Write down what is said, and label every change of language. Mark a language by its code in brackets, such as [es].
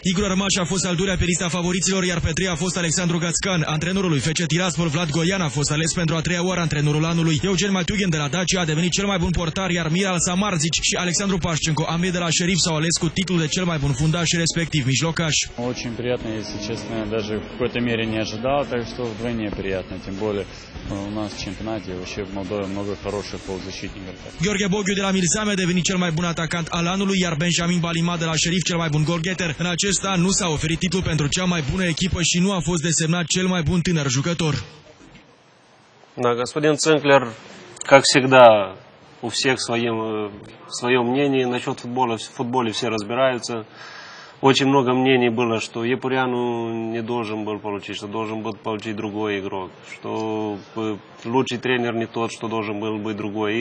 [ro] Igor Rămaș a fost al doilea pe lista favoriților, iar pe a fost Alexandru Gațcan. Antrenorul lui FC Tiraspol, Vlad Goian, a fost ales pentru a treia oară antrenorul anului. Eugen Matiugin de la Dacia a devenit cel mai bun portar, iar Miral Samardzic și Alexandru Pașcenco, ambii de la Șerif, s-au ales cu titlul de cel mai bun fundaș, respectiv mijlocaș. Foarte prietene, este [ru] честно, даже в какой-то мере не ожидал, так что вдвойне приятно, тем более у нас в чемпионате вообще в Молдове много хороших полузащитников. [ro] Gheorghe Boghiu de la Mirsame a devenit cel mai bun atacant al anului, iar Benjamin Balima de la Șerif cel mai bun golgheter. În acest an nu s-a oferit titlul pentru cea mai bună echipă și nu a fost desemnat cel mai bun tânăr jucător. [ru] Da, господин Цинклер, как всегда, у всех своё мнение насчёт футбола, в футболе все разбираются. Очень много мнений было, что Епуряну не должен был получить, что должен был получить другой игрок, что лучший тренер не тот, что должен был быть другой.